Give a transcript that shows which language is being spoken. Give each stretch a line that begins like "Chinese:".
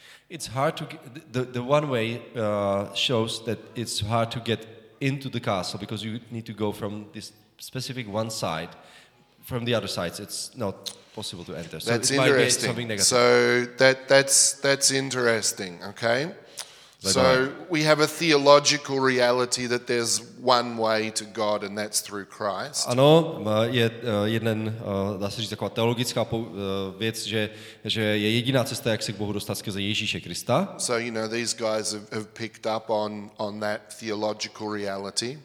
English: It's hard to get, the one way shows that it's hard to get into the castle because you need to go from this specific one side from the other sides it's not possible to enter so that's it interesting. Might be something negative. So that's interesting okay but so we have a theological reality that there's one way to God and that's through Christ
Czech: ano je jeden dá se říct taková teologická věc že je jediná cesta jak se k Bohu dostat skrze Ježíše Krista
English: so you know these guys have picked up on that theological reality